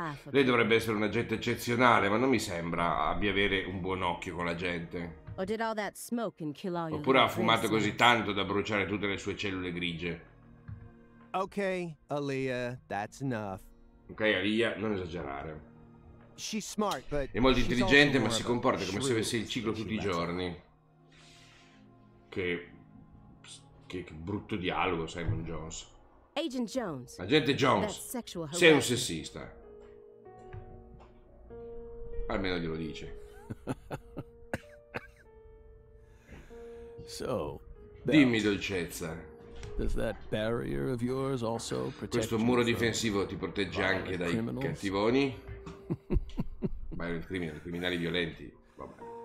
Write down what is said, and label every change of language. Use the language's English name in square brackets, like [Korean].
[Italian] Lei dovrebbe essere un agente eccezionale, ma non mi sembra abbia avere un buon occhio con la gente. Oppure ha fumato così tanto da bruciare tutte le sue cellule grigie. [English] Ok, Aaliyah, that's enough. [Italian] Ok, Aaliyah, non esagerare. [English] She's smart, but [Italian] è molto intelligente, ma si comporta come se avesse il ciclo tutti i giorni. Che brutto dialogo, Simon Jones. [English] Agent Jones. [Italian] Agente Jones. Sei un sessista. Almeno glielo dice. [English] So, [Italian] dimmi, dolcezza. [English] Does that barrier of yours also protect? [Italian] Questo muro difensivo ti protegge anche dai cattivoni? Ma i criminali violenti. Vabbè.